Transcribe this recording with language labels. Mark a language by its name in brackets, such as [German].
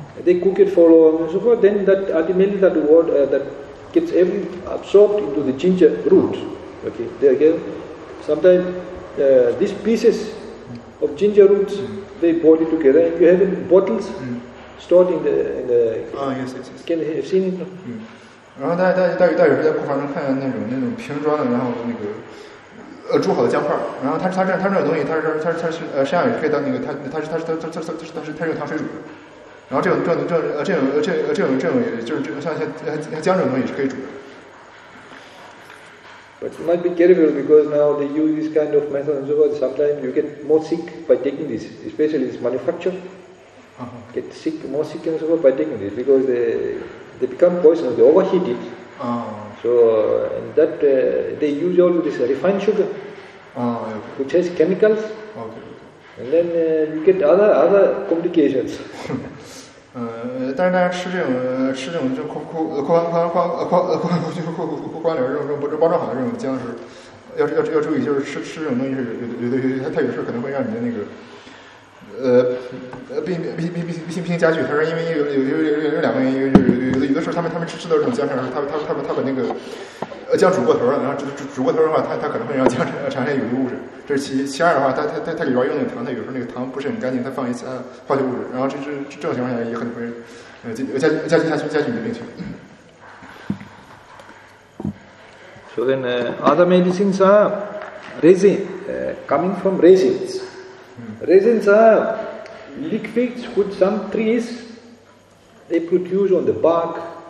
[English] They cook it for long and so forth, then that ultimately that water that gets every absorbed into the ginger root. Okay, there again, sometimes these pieces of ginger roots, they boil it together. You have it in bottles stored in the. Yes. Can you have seen it? [Chinese] 然后大家在库房能看见那种瓶装的，然后那个煮好的姜块。然后它这东西，它是实际上也可以当那个它是它是用糖水煮的。然后这种也就是像姜这种东西是可以煮的。 [English] But you might be careful because now they use this kind of method and so forth. Sometimes you get more sick by taking this, especially this manufacture. Uh-huh. Get sick, more sick and so forth by taking this because they become poisonous, they overheat it. Uh-huh. So, and that they use all this refined sugar, uh-huh. which has chemicals. Okay. And then you get other complications. [Chinese] 但是大家吃这种就库包装好的这种姜是要注意，就是吃这种东西是有它有时候可能会让你的那个病加剧。他说因为有两个原因，有的时候他们吃到这种姜的时候，他把那个姜煮过头了，然后煮过头的话，他可能会让姜产生有毒物质。这是其二的话，他里边用那个糖，他有时候那个糖不是很干净，他放一些化学物质，然后这种情况下也很会加剧你的病情。 [English] So then, other medicines are resin, coming from resins. Resins are liquids which some trees they produce on the bark.